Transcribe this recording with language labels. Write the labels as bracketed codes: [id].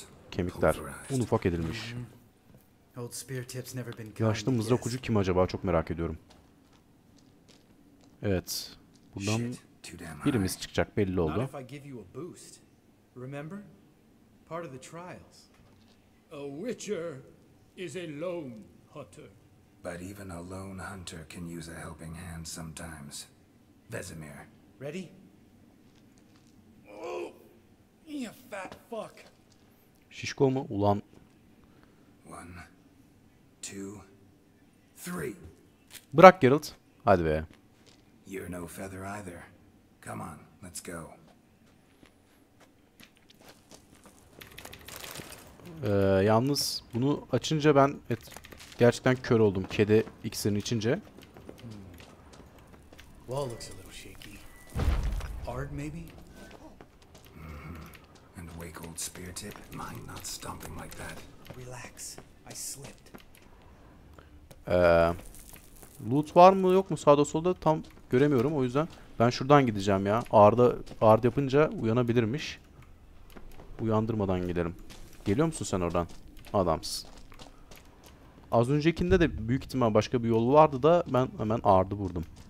[tr] Kemikler. Un ufak edilmiş. Yaşlı mızrak ucu kim acaba? Çok merak ediyorum. Evet. Buradan birimiz çıkacak belli oldu. [en] Part of the trials. A witcher is a lone hunter. But even a lone hunter can use a helping hand sometimes. Vesemir. Ready? Oh, you fat fuck. [tr] Şişko mu? Ulan. [en] One, two, three. [tr] Bırak Geralt. Hadi be. [en] You're no feather either. Come on, let's go. [tr] Yalnız bunu açınca ben gerçekten kör oldum kedi iksirini içince. [en] Wall looks a little shaky. Hard maybe. And wake old spear tip, mind not stomping like that. Relax, I slipped. [tr] Loot var mı yok mu sağda solda tam göremiyorum, o yüzden ben şuradan gideceğim ya. Ağrı yapınca uyanabilirmiş. Uyandırmadan gidelim. Geliyor musun sen oradan? Adams. Az öncekinde de büyük ihtimal başka bir yol vardı da ben hemen ağrıdı vurdum.